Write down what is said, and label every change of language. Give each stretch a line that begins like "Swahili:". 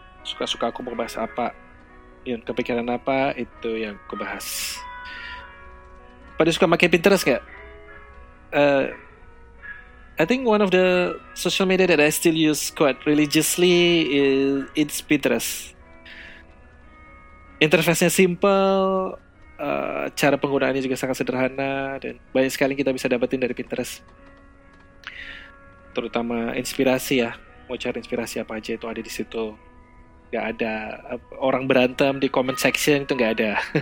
Indonesian: Suka-suka aku mau bahas apa, yang kepikiran apa, itu yang aku bahas. Pada suka pakai Pinterest gak?
English: I think one of the social media that I still use quite religiously is it's Pinterest.
Indonesian: Interface-nya simple, cara penggunaannya juga sangat sederhana, dan banyak sekali kita bisa dapetin dari Pinterest. Terutama inspirasi ya, mau cari inspirasi apa aja itu ada di situ. Gak ada orang berantem di comment section, itu gak ada.